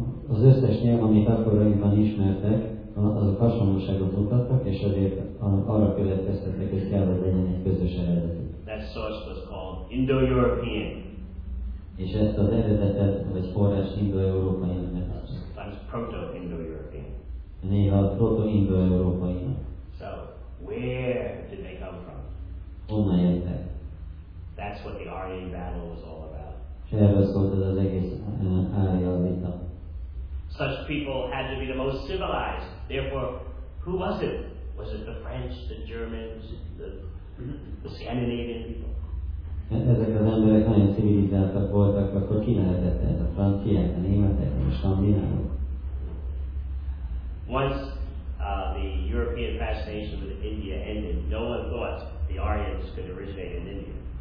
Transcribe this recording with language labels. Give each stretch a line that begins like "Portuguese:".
Hungarian: Az összes nyelv, amit akkoriban ismertek, azok hasonlóságot mutattak, és azért arra következtettek, hogy kell, hogy legyen egy közös eredetük.
English: That source was called Indo-European.
Hungarian: És ezt az eredetet, vagy forrást Indo-Európai nevezték.
English: Sometimes Proto-Indo-European.
Hungarian: Néha Proto-Indo-Európai.
English: So, where did they come from?
Hungarian: Honnan jöttek?
English: That's what the Aryan battle was all about.
Hungarian: És erről szólt ez az egész Árya vita.
English: Such people had to be the most civilized. Therefore, who was it? Was it the French, the Germans, the Scandinavian people?
Hungarian: Ezek az emberek nagyon civilizáltak voltak, akkor ki lehetett ez? A franciák, a németek, a skandinávok?
English: Once the European fascination with India ended, no one thought the Aryans could originate in India.